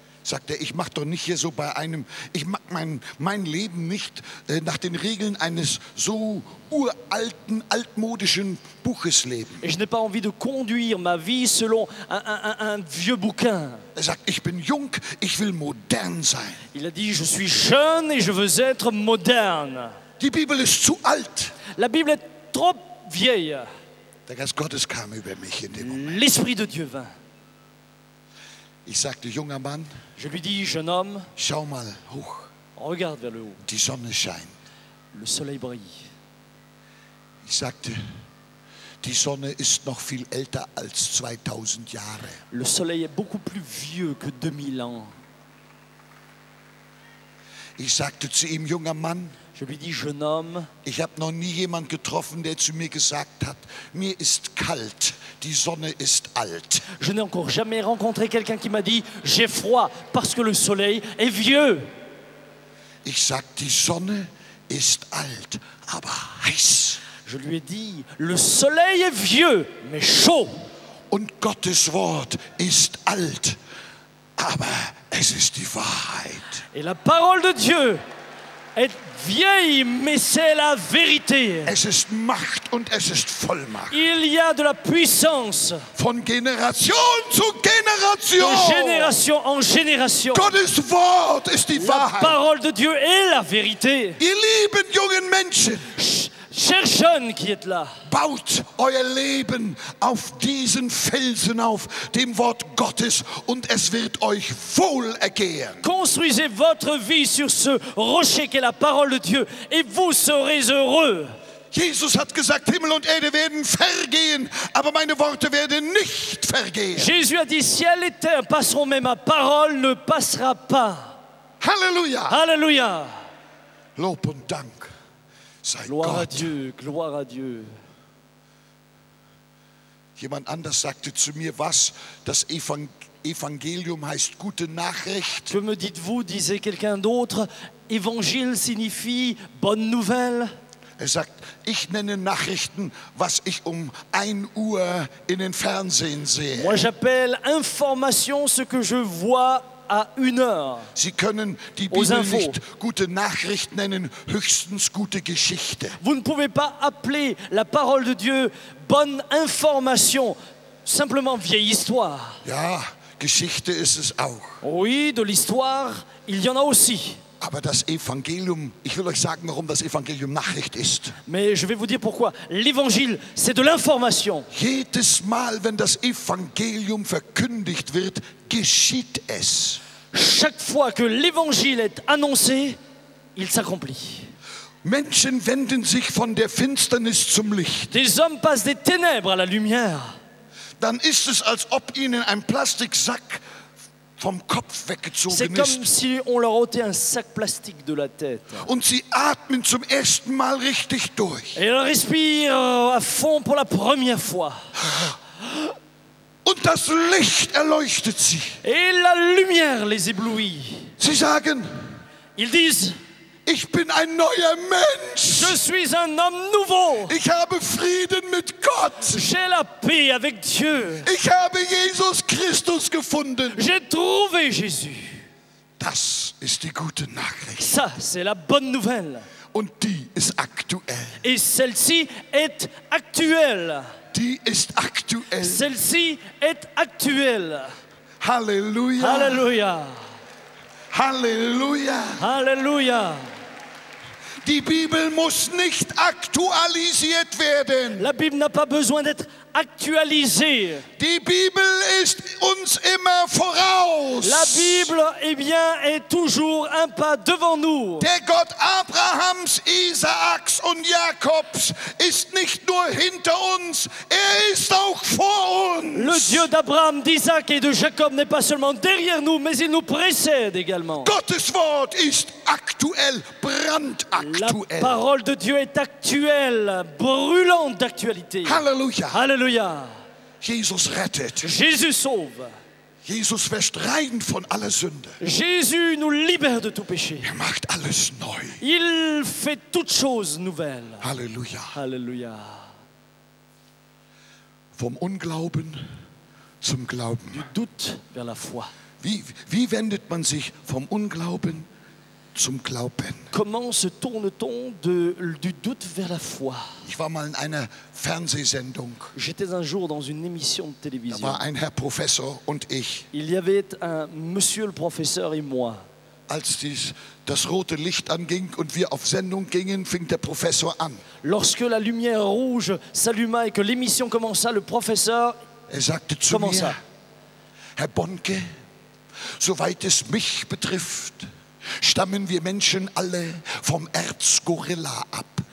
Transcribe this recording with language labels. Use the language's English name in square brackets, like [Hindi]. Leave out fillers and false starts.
[German] sagt er, ich mache doch nicht hier so bei einem, ich mag mein Leben nicht nach den Regeln eines so uralten, altmodischen Buches leben. [French] Je n'ai pas envie de conduire ma vie selon un vieux bouquin. [German] Er sagt, ich bin jung, ich will modern sein. [French] Il a dit, je suis jeune et je veux être moderne. [German] Die Bibel ist zu alt. [French] La Bible est trop vieille. [German] Der Geist Gottes kam über mich in dem Moment. [French] L'Esprit de Dieu vint. [German] Ich sagte, junger Mann, [French] je lui dis, jeune homme, [German] schau mal hoch. [French] Regarde vers le haut. [German] Die Sonne scheint. [French] Le soleil brille. [German] Ich sagte, die Sonne ist noch viel älter als 2000 Jahre. [French] Le soleil est beaucoup plus vieux que 2000 ans. [German] Ich sagte zu ihm, junger Mann, [French] je lui dis, jeune homme, [German] ich habe noch nie jemanden getroffen, der zu mir gesagt hat, mir ist kalt, die Sonne ist alt. [French] Je n'ai encore jamais rencontré quelqu'un qui m'a dit, j'ai froid, parce que le soleil est vieux. [German] Ich sag, die Sonne ist alt, aber heiß. [French] Je lui ai dit, le soleil est vieux, mais chaud. [German] Und Gottes Wort ist alt, aber es ist die Wahrheit. [French] Et la parole de Dieu est vieille, mais c'est la vérité. [German] Es ist Macht und es ist Vollmacht. [French] Il y a de la puissance. [German] Von Generation zu Generation. [French] De génération en génération. [German] Gottes Wort ist die [French] la [German] Wahrheit. [French] La parole de Dieu est la vérité. [German] Ihr lieben jungen Menschen. [French] Cher jeune qui êtes là. [German] Baut euer Leben auf diesen Felsen auf, dem Wort Gottes, und es wird euch wohl ergehen. [French] Construisez votre vie sur ce rocher qu'est la parole de Dieu, et vous serez heureux. [German] Jesus hat gesagt, Himmel und Erde werden vergehen, aber meine Worte werden nicht vergehen. [French] Jésus a dit, ciel et terre passeront, mais ma parole ne passera pas. [German] Halleluja! [French] Halleluja! [German] Lob und Dank. Sei [French] gloire [German] Gott. [French] À Dieu, gloire à Dieu. [German] Jemand anders sagte zu mir, was das Evangelium heißt, gute Nachricht. [French] Que me dites-vous, disait quelqu'un d'autre, Évangile signifie bonne nouvelle. [German] Er sagt, ich nenne Nachrichten, was ich um 1 Uhr in den Fernsehen sehe. [French] Moi j'appelle information ce que je vois à 1 heure. [German] Sie können die Bibel nicht gute Nachricht nennen, höchstens gute Geschichte. [French] Vous ne pouvez pas appeler la parole de Dieu bonne information, simplement vieille histoire. [German] Ja, Geschichte ist es auch. [French] Oui, de l'histoire, il y en a aussi. [German] Aber das Evangelium, ich will euch sagen, warum das Evangelium Nachricht ist. [French] Mais je vais vous dire pourquoi. L'Évangile, c'est de l'information. [German] Jedes Mal, wenn das Evangelium verkündigt wird, geschieht es. [French] Chaque fois que l'Évangile est annoncé, il s'accomplit. [German] Menschen wenden sich von der Finsternis zum Licht. [French] Des hommes passent des ténèbres à la lumière. [German] Dann ist es, als ob ihnen ein Plastiksack vom Kopf weggezogen [French] c'est comme si on leur ôtait un sac plastique de la tête. [German] Und sie atmen zum ersten Mal richtig durch. [French] Et ils respirent à fond pour la première fois. [German] Und das Licht erleuchtet sie. [French] Et la lumière les éblouit. [German] Sie sagen, [French] ils disent, [German] ich bin ein neuer Mensch. [French] Je suis un homme nouveau. [German] Ich habe Frieden mit Gott. [French] J'ai la paix avec Dieu. [German] Ich habe Jesus Christus gefunden. [French] J'ai trouvé Jésus. [German] Das ist die gute Nachricht. [French] Ça, c'est la bonne nouvelle. [German] Und die ist aktuell. [French] Et celle-ci est actuelle. [German] Die ist aktuell. [French] Celle-ci est actuelle. [German] Halleluja. [French] Halleluja. [German] Halleluja. [French] Halleluja. [German] Die Bibel muss nicht aktualisiert werden. [French] La Bible n'a pas besoin d'être actualisée. [German] Die Bibel ist uns immer voraus. [French] La Bible, eh bien, est toujours un pas devant nous. [German] Der Gott Abrahams, Isaaks und Jakobs ist nicht nur hinter uns, er ist auch vor uns. [French] Le Dieu d'Abraham, d'Isaac et de Jacob n'est pas seulement derrière nous, mais il nous précède également. [German] Gottes Wort ist aktuell, brandaktuell. [French] La parole de Dieu est actuelle, brûlante d'actualité. [German] Halleluja. [French] Halleluja. [German] Jesus rettet. [French] Jésus sauve. [German] Jesus wäscht rein von aller Sünde. [French] Jésus nous libère de tout péché. [German] Er macht alles neu. [French] Il fait toutes choses nouvelles. [German] Halleluja. [French] Halleluja. [German] Vom Unglauben zum Glauben. [French] Du doute vers la foi. [German] Wie wendet man sich vom Unglauben zum Glauben? [French] Comment se tourne-t-on du doute vers la foi? [German] Ich war mal in einer Fernsehsendung. [French] J'étais un jour dans une émission de télévision. [German] Da war ein Herr Professor und ich. [French] Il y avait un monsieur le professeur et moi. [German] Als das rote Licht anging und wir auf Sendung gingen, fing der Professor an. [French] Lorsque la lumière rouge s'alluma et que l'émission commença, le professeur commença. [German] Mir, Herr Bonnke, soweit es mich betrifft, stammen wir Menschen alle vom Erzgorilla ab.